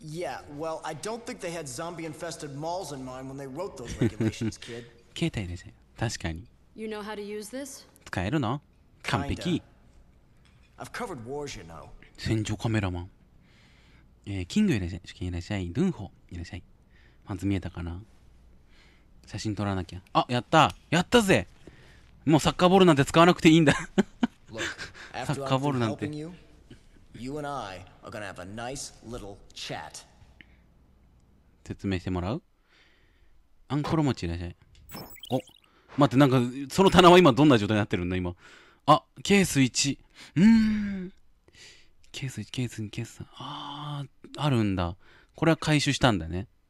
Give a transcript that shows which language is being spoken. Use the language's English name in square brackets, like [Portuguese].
[English] Yeah, well, I don't think they had zombie-infested malls in mind when they wrote those regulations, kid. [Japanese] 携帯ですよ。確かに。 [English] You know how to use this? [Japanese] 使えるの？完璧。 [English] Kinda. I've covered wars, you know. [Japanese] 戦場カメラマン。キングいらっしゃい。主権いらっしゃい。ドゥンホいらっしゃい。まず見えたかな？写真撮らなきゃ。あ、やった！やったぜ！もうサッカーボールなんて使わなくていいんだ。サッカーボールなんて。 [English] You and I are gonna have a nice little chat. [Japanese] 説明してもらう？アンコロ持ちいらっしゃい。お、待って、なんかその棚は今どんな状態になってるんだ今。あ、ケース1。ケース1、ケース2、ケース3。あー、あるんだ。これは回収したんだね。